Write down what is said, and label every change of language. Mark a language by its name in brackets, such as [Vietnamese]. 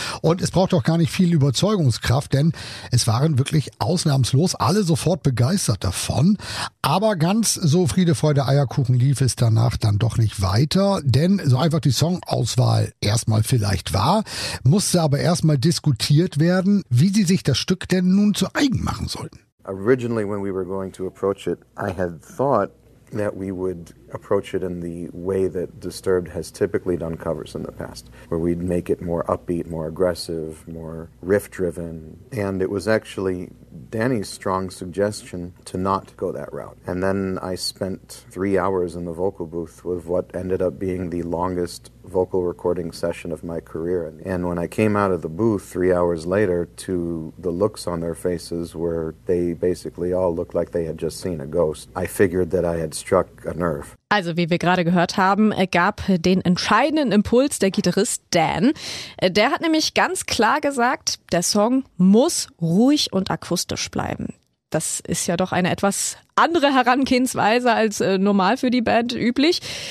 [German] Und es braucht auch gar nicht viel Überzeugungskraft, denn es waren wirklich ausnahmslos alle sofort begeistert davon. Aber ganz so Friede, Freude, Eierkuchen lief es danach dann doch nicht weiter, denn so einfach die Songauswahl erstmal vielleicht war, musste aber erstmal diskutiert werden, wie sie sich das Stück denn nun zu eigen machen sollten. [English] Originally, when we were going to approach it, I had thought that we would approach it in the way that Disturbed has typically done covers in the past, where we'd make it more upbeat, more aggressive, more riff-driven. And it was actually Danny's strong suggestion to not go that route. And then I spent 3 hours in the vocal booth with what ended up being the longest vocal recording session of my career. And when I came out of the booth 3 hours later, to the looks on their faces where they basically all looked like they had just seen a ghost, I figured that I had struck a nerve. [German] Also, wie wir gerade gehört haben, gab den entscheidenden Impuls der Gitarrist Dan. Der hat nämlich ganz klar gesagt, der Song muss ruhig und akustisch bleiben. Das ist ja doch eine etwas andere Herangehensweise als normal für die Band üblich.